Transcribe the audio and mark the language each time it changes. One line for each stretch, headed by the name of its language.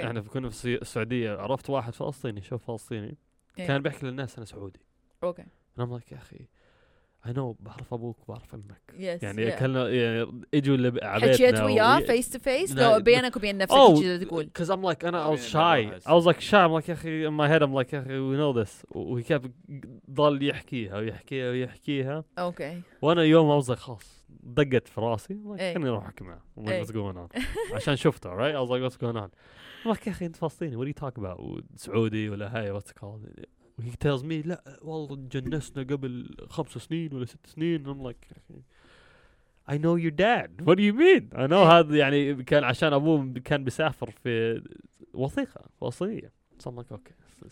Arabic: أنا كنا في السعودية عرفت واحد فلسطيني شوف فلسطيني كان بيحكي للناس أنا سعودي.
English: Okay. And I'm like يا أخي I know بعرف أبوك بعرف أمك. Yes.
Arabic: يعني كنا يعني إجوا اللي عبيتنا. حكيت
English: وياه face to face.
Arabic: لو بينك وبين نفسك إيش تقدر تقول.
English: Cause I'm like أنا I was shy. I was like shy. I'm like يا أخي in my head I'm like يا أخي we know this.
Arabic: وهي كاب ضل يحكيها ويحكيها ويحكيها.
English: Okay.
Arabic: وأنا يوم I was like خلاص. دقت في راسي خليني اروح احكي معه what's going on عشان شفته right I was like what's going on like يا اخي انت فلسطيني what are you talking about سعودي ولا هاي what's called he tells me لا والله جنسنا قبل 5 سنين ولا 6 سنين I'm like I know your dad what do you mean I know هذا يعني كان عشان ابوه كان بيسافر في وثيقة وصية so I'm like okay